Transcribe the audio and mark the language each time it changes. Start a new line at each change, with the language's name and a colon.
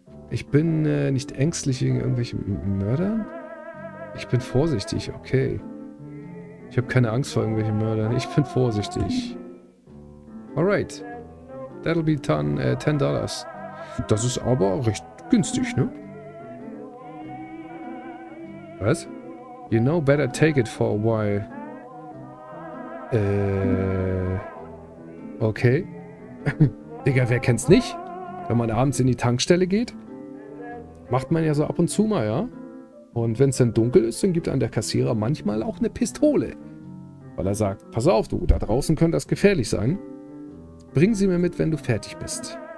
German: Ich bin nicht ängstlich wegen irgendwelchen Mördern. Ich bin vorsichtig, okay. Ich habe keine Angst vor irgendwelchen Mördern. Ich bin vorsichtig. Alright.
English: That'll be $10.
German: Das ist aber recht günstig, ne? Was?
English: You know better take it for a while.
German: Okay. Digga, wer kennt's nicht? Wenn man abends in die Tankstelle geht, macht man ja so ab und zu mal, ja? Und wenn es dann dunkel ist, dann gibt einem der Kassierer manchmal auch eine Pistole. Weil er sagt, pass auf du, da draußen könnte das gefährlich sein. Bring sie mir mit, wenn du fertig bist.